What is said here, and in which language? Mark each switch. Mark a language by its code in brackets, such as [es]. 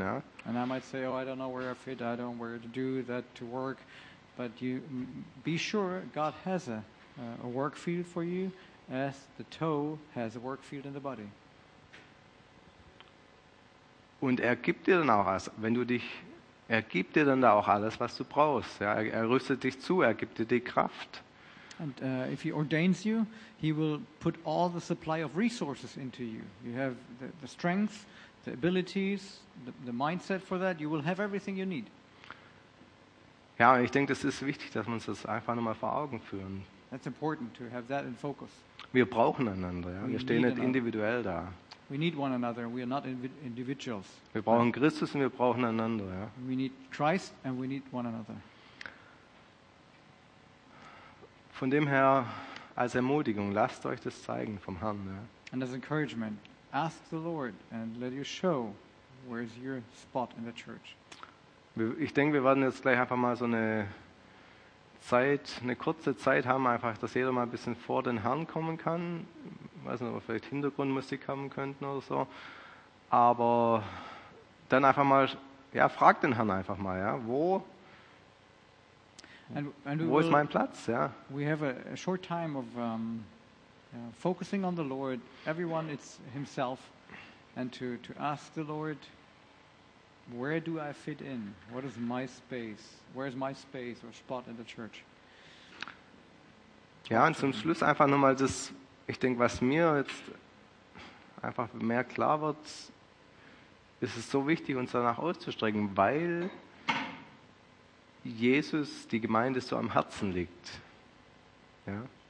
[de] Ja. [en] And I might say, oh, I don't know where I fit, I don't know where to do that to work. But you be sure God has a work field for you, as the toe has a work field in the body. [de] Und gibt dir dann auch alles, wenn du dich, gibt dir dann da auch alles, was du brauchst. Ja, rüstet dich zu, gibt dir die Kraft. [en] And if he ordains you, he will put all the supply of resources into you. You have the strength, the abilities, the mindset for that. You will have everything you need. [de] Ja, ich denke, das ist wichtig, dass wir uns das einfach nochmal vor Augen führen. [en] That's important to have that in focus. [de] Wir brauchen einander, ja. Wir stehen nicht individuell da. [en] We need one another. We are not individuals. [de] Wir brauchen Christus und wir brauchen einander, ja. [en] We need Christ and we need one another. [de] Von dem her, als Ermutigung, lasst euch das zeigen vom Herrn, ja. [en] And as encouragement, ask the Lord and let you show Where is your spot in the church? [de] Ich denke, wir werden jetzt gleich einfach mal so eine kurze Zeit haben, einfach, dass jeder mal ein bisschen vor den Herrn kommen kann. Ich weiß nicht, ob wir vielleicht Hintergrundmusik haben könnten oder so. Aber dann einfach mal, ja, frag den Herrn einfach mal, ja, wo ist mein Platz, ja? [en] We have a short time of focusing on the Lord. Everyone, it's himself, and to ask the Lord, where do I fit in? What is my space? Where is my space or spot in the church? [de] Ja, und zum Schluss einfach nochmal das, ich denke, was mir jetzt einfach mehr klar wird, ist es so wichtig, uns danach auszustrecken, weil Jesus die Gemeinde so am Herzen liegt. Ja.